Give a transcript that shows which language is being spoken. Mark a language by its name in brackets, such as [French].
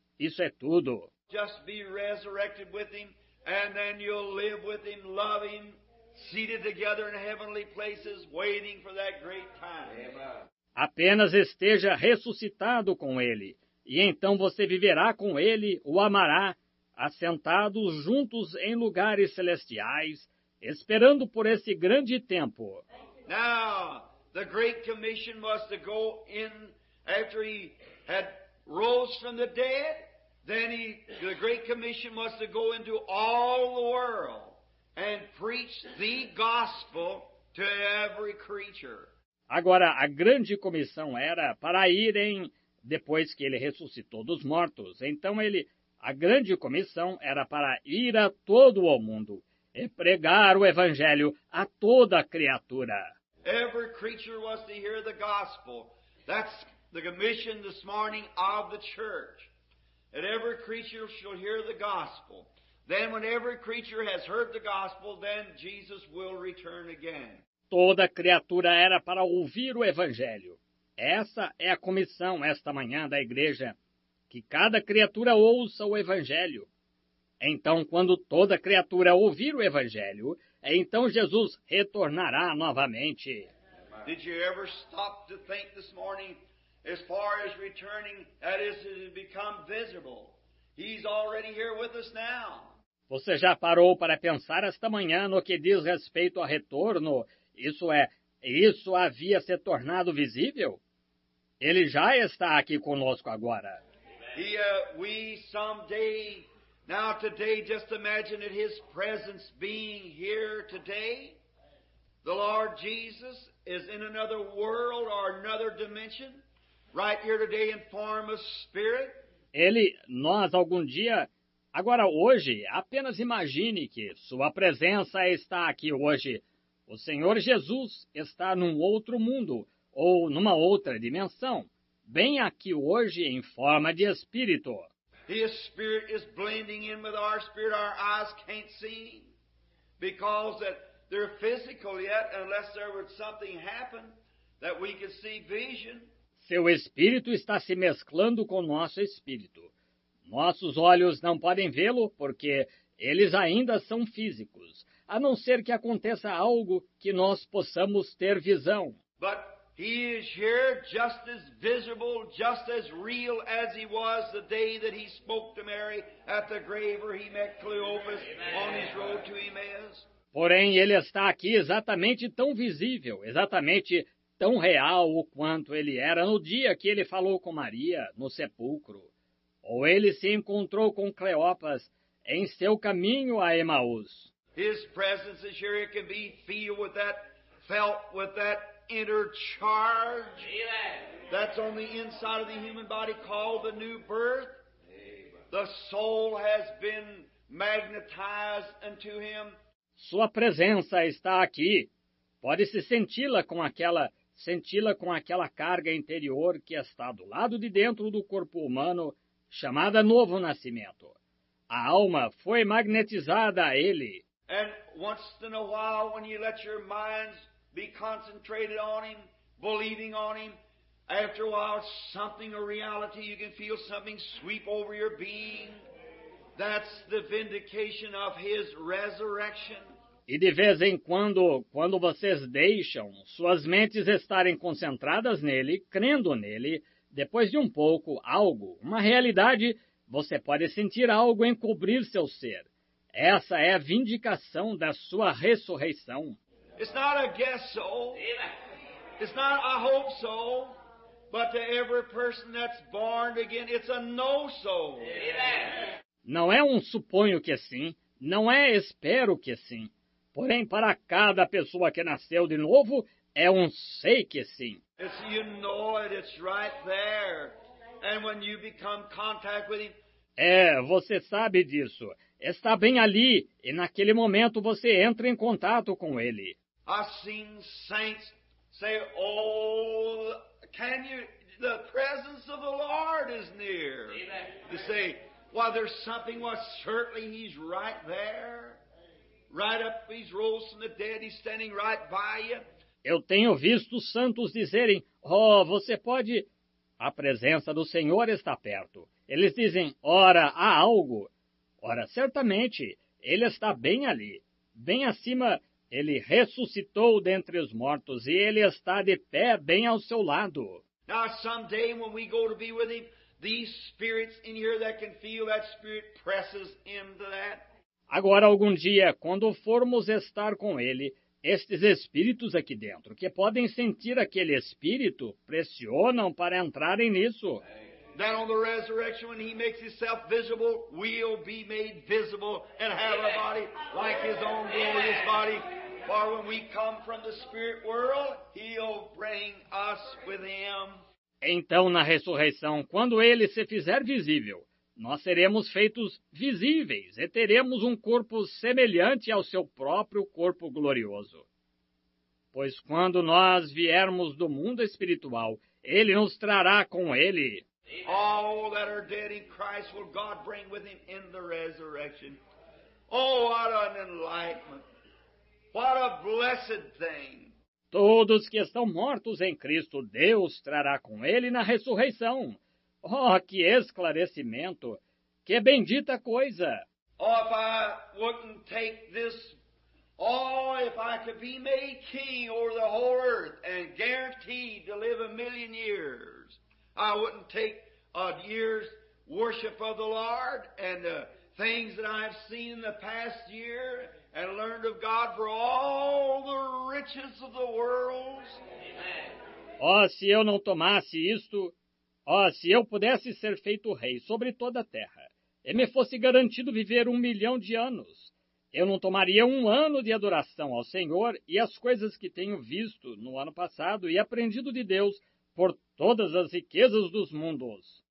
[Portuguese] Isso é tudo. [English] Just be resurrected with him, and then you'll live with him, love him, seated together in heavenly places, waiting for that great time. [Portuguese] Apenas esteja ressuscitado com ele. E então você viverá com ele, o amará, assentados juntos em lugares celestiais, esperando por esse grande tempo. [English] Now, the great commission was to go in after he had rose from the dead, then the great commission was to go into all the world and preach the gospel to every creature. [Portuguese] Agora, a grande comissão era para irem. Depois que ele ressuscitou dos mortos, então ele, a grande comissão era para ir a todo o mundo e pregar o evangelho a toda criatura. [English] Every creature was to hear the gospel. That's the commission this morning of the church. And every creature shall hear the gospel. Then when every creature has heard the gospel, then Jesus will return again. [Portuguese] Toda criatura era para ouvir o evangelho. Essa é a comissão esta manhã da igreja, que cada criatura ouça o evangelho. Então, quando toda criatura ouvir o evangelho, então Jesus retornará novamente. [English] Did you ever stop to think this morning, as far as returning, that is, it has become visible? He's already here with us now. [Portuguese] Você já parou para pensar esta manhã no que diz respeito ao retorno? Isso é, isso havia se tornado visível? Ele já está aqui conosco agora. [English] We someday, now today, just imagine it, his presence being here today. The Lord Jesus is in another world or another dimension, right here today in form of spirit. [Portuguese] Ele, nós algum dia, agora hoje, apenas imagine que sua presença está aqui hoje. O Senhor Jesus está num outro mundo, ou numa outra dimensão, bem aqui hoje em forma de Espírito. [English] His Spirit is blending in with our spirit. Our eyes can't see because that they're physical yet, unless there would something happen. That we can see vision. [Portuguese] Seu espírito está se mesclando com nosso espírito. Nossos olhos não podem vê-lo porque eles ainda são físicos, a não ser que aconteça algo que nós possamos ter visão. [English] But he is here just as visible, just as real as he was the day that he spoke to Mary at the grave where he met Cleopas on his road to Emmaus. [Portuguese] Porém, ele está aqui exatamente tão visível, exatamente tão real o quanto ele era no dia que ele falou com Maria no sepulcro. Ou ele se encontrou com Cleopas em seu caminho a Emaús. [English] His presence is here, it can be feel with that, felt with that inner charge. That's on the inside of the human body called the new birth. The soul has been magnetized unto him. [Portuguese] Sua presença está aqui. Pode-se senti-la com aquela carga interior que está do lado de dentro do corpo humano, chamada novo nascimento. A alma foi magnetizada a ele. [English] And once in a while, when you let your minds be concentrated on him, believing on him, after a while, something, a reality, you can feel something sweep over your being. That's the vindication of his resurrection. [Portuguese] E de vez em quando, quando vocês deixam suas mentes estarem concentradas nele, crendo nele, depois de um pouco, algo, uma realidade, você pode sentir algo encobrir seu ser. Essa é a vindicação da sua ressurreição. [English] It's not a guess so. It's not a hope so. But to every person that's born again, it's a know so. [Portuguese] Não é um suponho que sim, não é espero que sim. Porém, para cada pessoa que nasceu de novo, é um sei que sim. [English] It's, you know it, it's right there. And when you become contact with him... [Portuguese] É, você sabe disso. Está bem ali, e naquele momento você entra em contato com ele. [English] I've seen saints say, oh, can you... The presence of the Lord is near. They say, well, there's something, well, certainly he's right there. Right up, he's rose from the dead, he's standing right by you. [Portuguese] Eu tenho visto santos dizerem, oh, você pode... A presença do Senhor está perto. Eles dizem, ora, há algo. Ora, certamente, ele está bem ali. Bem acima, ele ressuscitou dentre os mortos e ele está de pé bem ao seu lado. [English] Now, someday, when we go to be with him, these spirits in here that can feel that spirit presses into that. [Portuguese] Agora, algum dia, quando formos estar com ele, estes espíritos aqui dentro, que podem sentir aquele espírito, pressionam para entrarem nisso. [English] That on the resurrection, when he makes himself visible, we'll be made visible and have a body like his own glorious body. For when we come from the spirit world, he'll bring us with him. [Portuguese] Então, na ressurreição, quando ele se fizer visível, nós seremos feitos visíveis e teremos um corpo semelhante ao seu próprio corpo glorioso. Pois quando nós viermos do mundo espiritual, ele nos trará com ele. [English] All that are dead in Christ will God bring with him in the resurrection. Oh, what an enlightenment! What a blessed thing! [Portuguese] Todos que estão mortos em Cristo, Deus trará com ele na ressurreição. Oh, que esclarecimento! Que bendita coisa! [English] Oh, if I wouldn't take this... Oh, if I could be made king over the whole earth and guaranteed to live a million years, I wouldn't take a year's worship of the Lord and the things that I've seen in the past year and learned of God for all the riches of the world. Amen. [Portuguese] Oh, se eu não tomasse isto... Oh, se eu pudesse ser feito rei sobre toda a terra, e me fosse garantido viver 1 milhão de anos, eu não tomaria 1 ano de adoração ao Senhor e as coisas que tenho visto no ano passado e aprendido de Deus por todas as riquezas dos mundos.